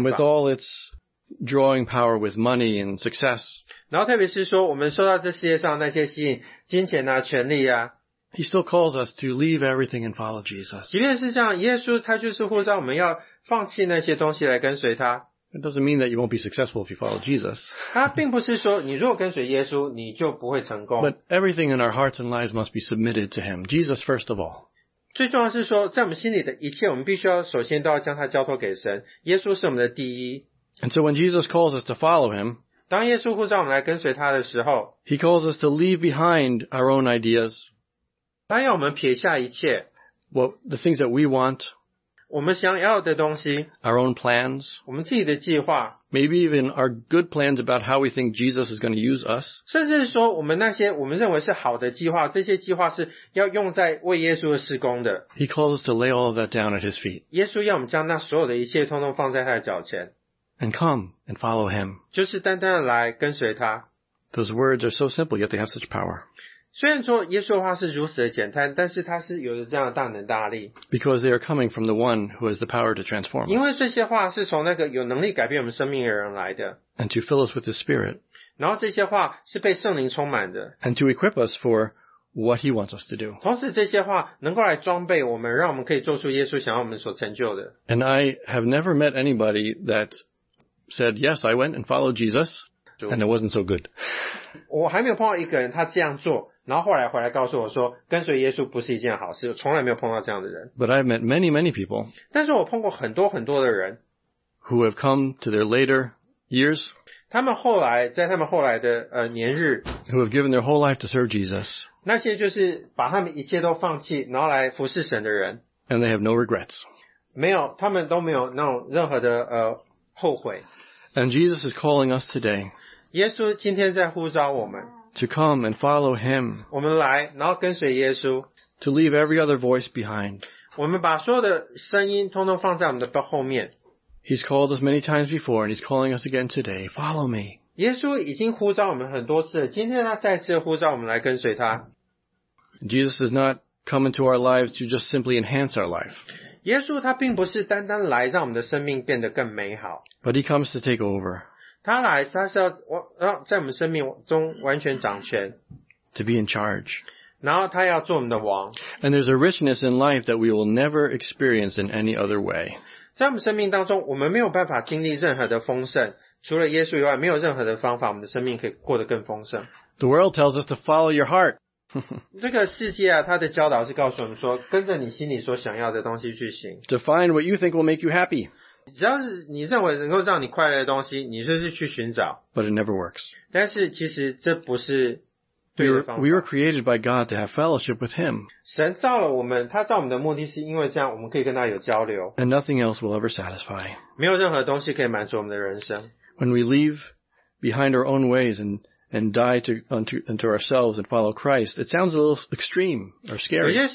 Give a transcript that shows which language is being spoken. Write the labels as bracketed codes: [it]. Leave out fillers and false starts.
[en] And with all its drawing power with money and success. [zh] 然后特别是说，我们受到这世界上那些吸引，金钱啊，权力啊。 [en] He still calls us to leave everything and follow Jesus. [zh] 即便是这样，耶稣他就是呼召我们要放弃那些东西来跟随他。 [en] It doesn't mean that you won't be successful if you follow Jesus. [zh] 他并不是说你如果跟随耶稣，你就不会成功。 [en] But everything in our hearts and lives must be submitted to Him. Jesus first of all. [zh] 最重要的是说，在我们心里的一切，我们必须要首先都要将它交托给神。耶稣是我们的第一。 [en] And so when Jesus calls us to follow him, [zh] 当耶稣呼召我们来跟随他的时候 [en] ，He calls us to leave behind our own ideas. [zh] 他要我们撇下一切 [en] ，What the things that we want, [zh] 我们想要的东西 [en] ，Our own plans, [zh] 我们自己的计划 [en] ，Maybe even our good plans about how we think Jesus is going to use us. [zh] 甚至是说，我们那些我们认为是好的计划，这些计划是要用在为耶稣的事工的。 [en] He calls us to lay all of that down at his feet. [zh] 耶稣要我们将那所有的一切通通放在他的脚前 [en] ，And come and follow him. [zh] 就是单单的来跟随他。 [en] Those words are so simple, yet they have such power. [zh] 虽然说耶稣的话是如此的简单，但是他是有着这样的大能大力。 [en] Because they are coming from the one who has the power to transform. [zh] 因为这些话是从那个有能力改变我们生命的人来的。 [en] And to fill us with the Spirit. [zh] 然后这些话是被圣灵充满的。 [en] And to equip us for what He wants us to do. [zh] 同时这些话能够来装备我们，让我们可以做出耶稣想要我们所成就的。 [en] And I have never met anybody that said, "Yes, I went and followed Jesus, and it wasn't so good." [zh] 我还没有碰到一个人他这样做。然后后来回来告诉我说，跟随耶稣不是一件好事，从来没有碰到这样的人。 [en] But I've met many, many people. [zh] 但是我碰过很多很多的人 [en] ，who have come to their later years. [zh] 他们后来在他们后来的年日 [en] ，who have given their whole life to serve Jesus. [zh] 那些就是把他们一切都放弃，然后来服侍神的人。 [en] And they have no regrets. [zh] 没有，他们都没有那种任何的后悔。 [en] And Jesus is calling us today. [zh] 耶稣今天在呼召我们。 [en] To come and follow him. [zh] 我们来，然后跟随耶稣。 [en] To leave every other voice behind. [zh] 我们把所有的声音通通放在我们的后面。 [en] He's called us many times before, and he's calling us again today. Follow me. [zh] 耶稣已经呼召我们很多次了，今天他再次呼召我们来跟随他。 [en] Jesus does not come into our lives to just simply enhance our life. [zh] 耶稣他并不是单单来让我们的生命变得更美好。 [en] But he comes to take over. [zh] 他来，他是要在我们生命中完全掌权。 [en] To be in charge. [zh] 然后他要做我们的王。 [en] And there's a richness in life that we will never experience in any other way. [zh] 在我们生命当中，我们没有办法经历任何的丰盛。除了耶稣以外，没有任何的方法，我们的生命可以过得更丰盛。 [en] The world tells us to follow your heart. [zh] 这个世界啊，它的教导是告诉我们说，跟着你心里所想要的东西去行。 [en] To find what you think will make you happy. [zh] 只要是你认为能够让你快乐的东西，你就是去寻找。 [en] But it never works. [zh] 但是其实这不是对的方法。 [en] We were created by God to have fellowship with Him. [zh] 神造了我们，他造我们的目的是因为这样，我们可以跟他有交流。 [en] And nothing else will ever satisfy. [zh] 没有任何东西可以满足我们的人生。 [en] When we leave behind our own ways and die to unto ourselves and follow Christ, it sounds a little extreme or scary.